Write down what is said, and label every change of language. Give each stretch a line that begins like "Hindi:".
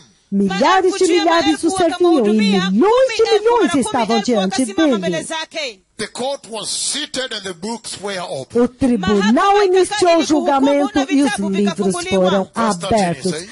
Portuguese: Milhares de milhares o serviam e milhões de milhões estavam diante dele.
English: The court was seated and the books were open.
Portuguese: O tribunal iniciou o julgamento e os livros foram abertos.